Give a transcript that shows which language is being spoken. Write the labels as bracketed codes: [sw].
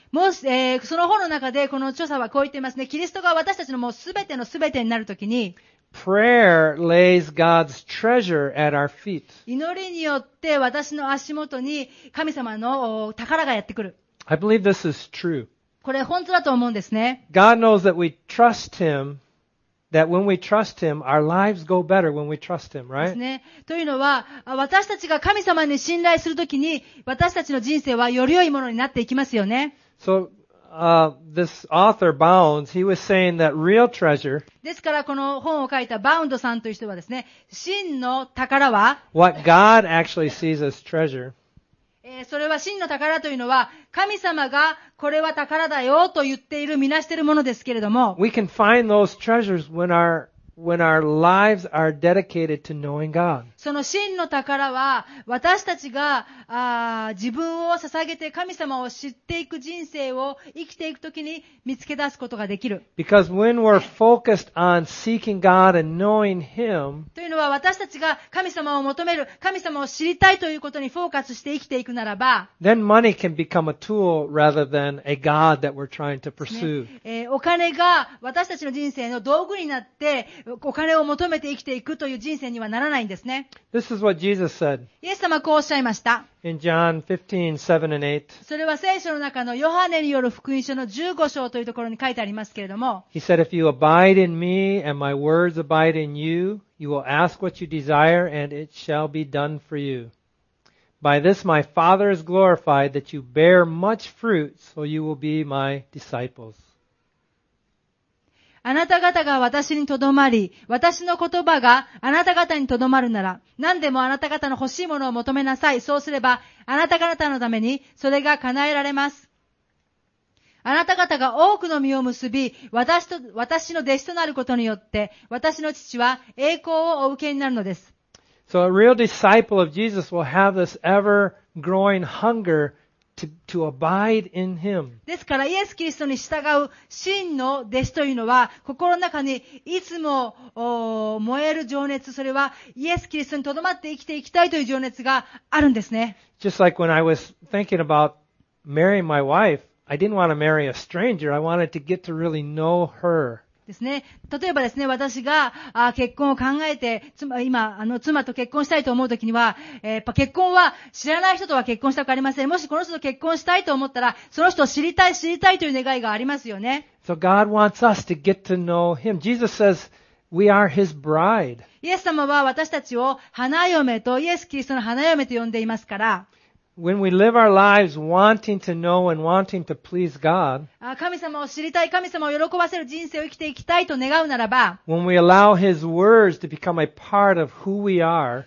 [ja] もし、その本の中でこの著者はこう言っていますね。キリストが私たちのもうすべてのすべてになるときに、 [en] Prayer lays God's treasure at our feet. [ja] 祈りによって私の足元に神様の宝がやってくる。 [en] I believe this is true. [ja] これ本当だと思うんですね。 [en] God knows that we trust Him, that when we trust Him, our lives go better when we trust Him, right? [ja] ですね。というのは、私たちが神様に信頼するときに、私たちの人生はより良いものになっていきますよね。 [en] So,this author Bounds, he was saying that real treasure. [ja] ですからこの本を書いたバウンドさんという人はですね、真の宝は、 [en] What God actually sees as treasure. [ja] それは真の宝というのは、神様がこれは宝だよと言っている、見なしているものですけれども、 [en] We can find those treasures when our lives are dedicated to knowing God. [ja] その真の宝は、私たちが自分を捧げて神様を知っていく人生を生きていくときに見つけ出すことができる。 [en] Because when we're focused on seeking God and knowing Him, [ja] というのは私たちが神様を求める、神様を知りたいということにフォーカスして生きていくならば、 [en] then money can become a tool rather than a God that we're trying to pursue. [ja] お金が私たちの人生の道具になって、お金を求めて生きていくという人生にはならないんですね。 [en] This is what Jesus said. [ja] イエス様はこうおっしゃいました。 [en] In John 15, 7 and 8. [ja] それは聖書の中のヨハネによる福音書の15章というところに書いてありますけれども。 [en] He said, If you abide in me and my words abide in you, you will ask what you desire and it shall be done for you. By this my Father is glorified that you bear much fruit, so you will be my disciples. [ja] あなた方が私にとどまり、私の言葉があなた方にとどまるなら、何でもあなた方の欲しいものを求めなさい。そうすれば、あなた方のためにそれが叶えられます。あなた方が多くの実を結び、私の弟子となることによって、私の父は栄光をお受けになるのです。 [en] So a real disciple of Jesus will have this ever-growing hungerTo abide in him. [ja] ですからイエス・キリストに従う真の弟子というのは心の中にいつも燃える情熱、それはイエス・キリストにとどまって生きていきたいという情熱があるんですね。 [en] Just like when I was thinking about marrying my wife, I didn't want to marry a stranger. I wanted to get to really know her. [ja] ですね。例えばですね、私が結婚を考えて、妻と結婚したいと思うときには、やっぱ結婚は知らない人とは結婚したくありません。もしこの人と結婚したいと思ったら、その人を知りたい、知りたいという願いがありますよね。 [en] So God wants us to get to know Him. Jesus says, we are His bride. [ja] イエス様は私たちを花嫁と、イエス・キリストの花嫁と呼んでいますから。 [en] When we live our lives wanting to know and wanting to please God, [ja] 神様を知りたい、神様を喜ばせる人生を生きていきたいと願うならば、 [en] when we allow His words to become a part of who we are,